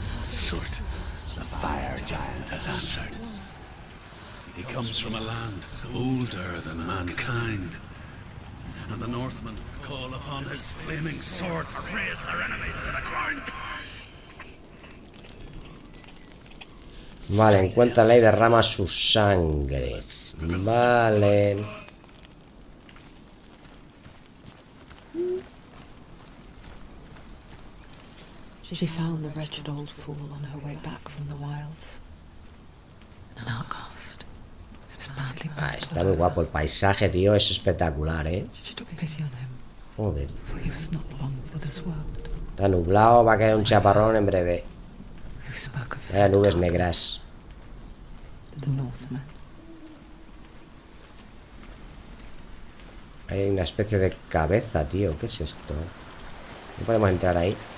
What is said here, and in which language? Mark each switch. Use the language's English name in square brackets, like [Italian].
[English] Surt, the fire giant has answered. He comes from a land older than mankind. And the Northmen call upon his flaming sword to raise their enemies to the ground. [Spanish] Vale, encuéntrala y derrama su sangre. Vale. [English] She found the wretched old fool on her way back from the wilds. An outcast. [Spanish] Ah, está muy guapo el paisaje, tío. Es espectacular, ¿eh? [English] She took pity on him. [Spanish] Joder. [English] For he was not long for this world. [Spanish] Está nublado, va a caer un chaparrón en breve. Hay nubes negras. [English] The Northmen. [Spanish] Hay una especie de cabeza, tío. ¿Qué es esto? No podemos entrar ahí.